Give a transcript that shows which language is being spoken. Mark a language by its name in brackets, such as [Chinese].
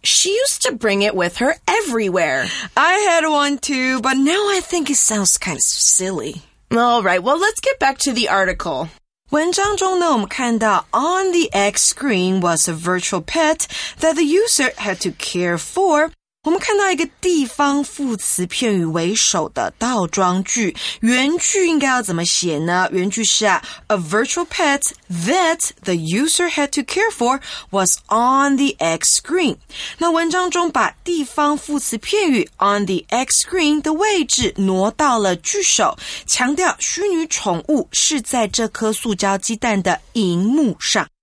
[English] She used to bring it with her everywhere. I had one too, but now I think it sounds kind of silly. All right, well, let's get back to the article. [Chinese] 文章中呢，我们看到 [English] on the X screen was a virtual pet that the user had to care for. [Chinese] 我们看到一个地方副词片语为首的倒装句，原句应该要怎么写呢？原句是啊 [English] ,a virtual pet that the user had to care for was on the X screen. [Chinese] 那文章中把地方副词片语 [English] on the X screen [Chinese] 的位置挪到了句首，强调虚拟宠物是在这颗塑胶鸡蛋的荧幕上。